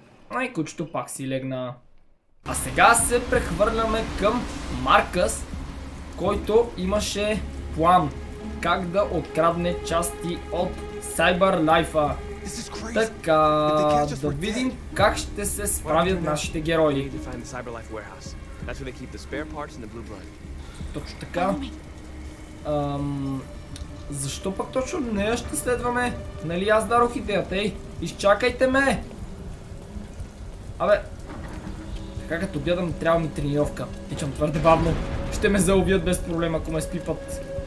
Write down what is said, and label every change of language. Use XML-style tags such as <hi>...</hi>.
<bg>Ай, кучето пак си легна. А сега се прехвърляме към Маркъс, който имаше план как да открадне части от Cyberlife-а. Така, да видим как ще се справят нашите герои.</bg> <en>That's where they keep the spare parts and the blue blood.</en> <bg>Точно така. Защо пък точно нея ще следваме? Нали аз дарох идеята, ей? Изчакайте ме! Абе, така като гледам, трябва ми тренировка. Тичам твърде бавно. Ще ме заубият без проблем, ако ме спипат.</bg>